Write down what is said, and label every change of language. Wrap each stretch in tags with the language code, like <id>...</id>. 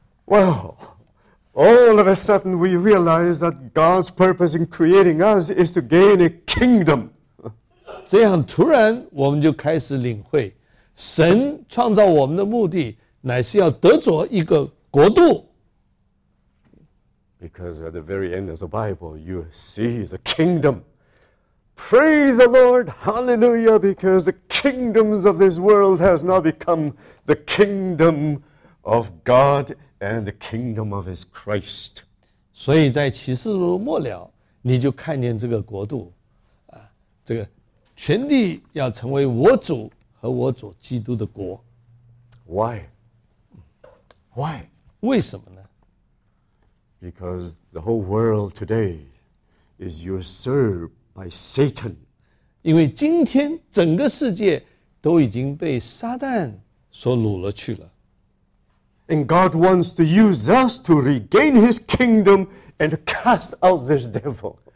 <en>Well, all of a sudden we realize that God's purpose in creating us is to gain a kingdom.</en> <zh>这样突然我们就开始领会神创造我们的目的乃是要得着一个国度。</zh> <en>Because at the very end of the Bible, you see the kingdom. Praise the Lord, hallelujah, because the kingdoms of this world has now become the kingdom of God and the kingdom of his Christ.</en> <zh>所以在启示录末了，你就看见这个国度，这个全地要成为我主和我主基督的国。</zh> <en>Why? Why?</en> <zh>为什么呢？</zh> <en>Because the whole world today is usurped by Satan.</en> <zh>因为今天整个世界都已经被撒旦所掳了去了。</zh> <en>And God wants to use us to regain his kingdom and cast out this devil.</en>